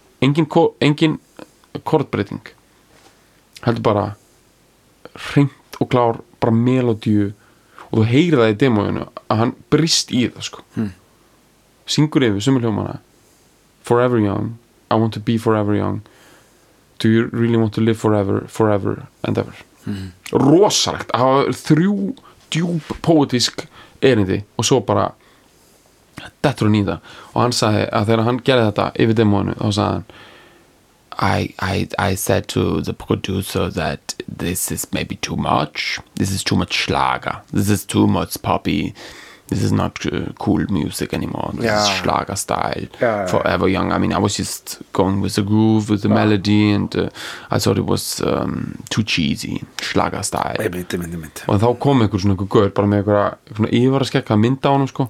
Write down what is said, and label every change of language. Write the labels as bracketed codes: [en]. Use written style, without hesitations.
[is] Engin kortbreyting heldur bara hreint og klár bara melodíu og þú heyrir það í demóinu að hann brist í það sko syngur yfir sömu hljómana [en] forever young I want to be forever young do you really want to live forever forever and ever [is] rosalegt að hafa þrjú djúp poetisk erindi og svo bara dettur hann í það og hann sagði að þegar hann gerði þetta yfir demóinu þá sagði hann [en] I said to the producer that this is maybe too much. This is too much Schlager. This is too much poppy. This is not cool music anymore. This yeah. is Schlager style. Yeah, forever yeah. young. I mean, I was just going with the groove, with the yeah. melody, and I thought it was too cheesy. Schlager style. [is] Einmitt. Og þá kom einhver svona einhver gaur, bara með einhver yfir að skekka mynda á hann, sko.